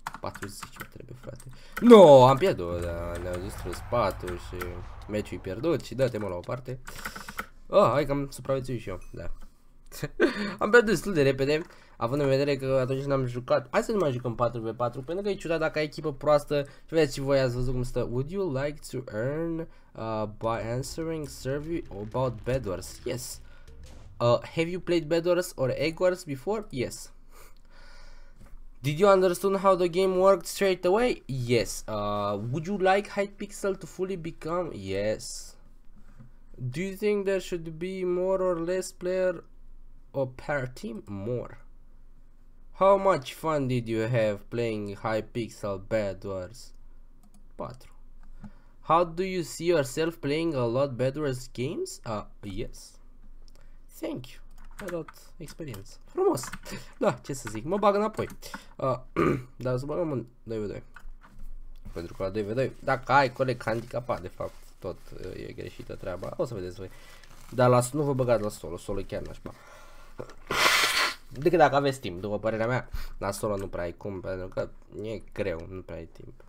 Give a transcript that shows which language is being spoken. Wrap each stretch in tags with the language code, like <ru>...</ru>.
<ro>40 mi trebuie, frate. No, am pierdut, da, ne-au distrus patul și meciul e pierdut și dă-te mă la o parte. Oh, hai că am supraviețuit și eu, da. Am pierdut destul de repede, având în vedere că atunci n-am jucat. Hai să nu mai jucăm 4v4, pentru că e ciudat dacă ai echipă proastă. Și vedeți și voi, ați văzut cum stă.</ro> <en>Would you like to earn by answering survey about Bedwars? Yes. Have you played Bedwars or Egg Wars before? Yes. Did you understand how the game worked straight away? Yes. Would you like Hypixel to fully become? Yes. Do you think there should be more or less player or per team? More. How much fun did you have playing Hypixel Bedwars? 4. How do you see yourself playing a lot Bedwars games? Yes. Thank you.</en> <ro>Ai dat experiență. Frumos. Da, ce să zic. Mă bag înapoi. Dar să băgăm în 2v2. Pentru că la 2v2, dacă ai colegi handicapat, de fapt, tot e greșită treaba. O să vedeți voi. Dar las, nu vă băgați la solo. Solo chiar nașpa. Decât dacă aveți timp, după părerea mea, la solo nu prea ai cum, pentru că e greu, nu prea ai timp.</ro>